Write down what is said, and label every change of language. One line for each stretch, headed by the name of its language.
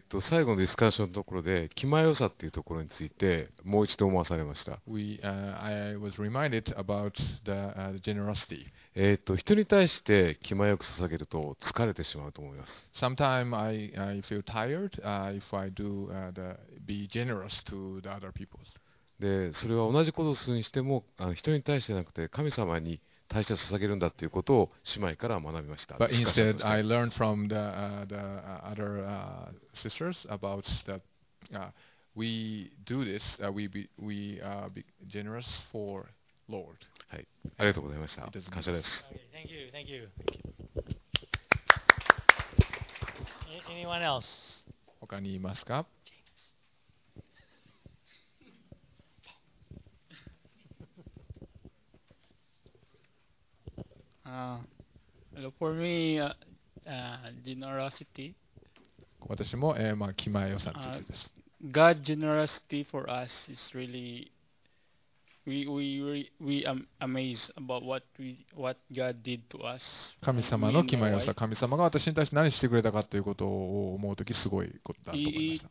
Japanese: 最後のディスカッションのところで気前良さっていうところについてもう一度思わされました。
English: I was reminded about the generosity.
Japanese: 人に対して気前よく捧げると疲れてしまうと思います。
English: Sometimes I feel tired if I do the be generous to the other people.
Japanese: でそれは同じことをするにしても人に対してなくて神様に大切捧げるんだということを姉妹から学びました。
English: But instead, I learned from the other sisters about that we do this, we be generous for Lord.
Japanese: はい、ありがとうございました。感謝です。
English: Okay, thank you, thank you. Anyone else?
Japanese: 他にいますか？
English: For me, generosity.
Japanese: 私も、まあ、気前良さということです。
English: God generosity for us is really we amazed about what God did to us.
Japanese: 神様の気前良さ、神様が私に対して何してくれたかということを思うときすごいことだと思います。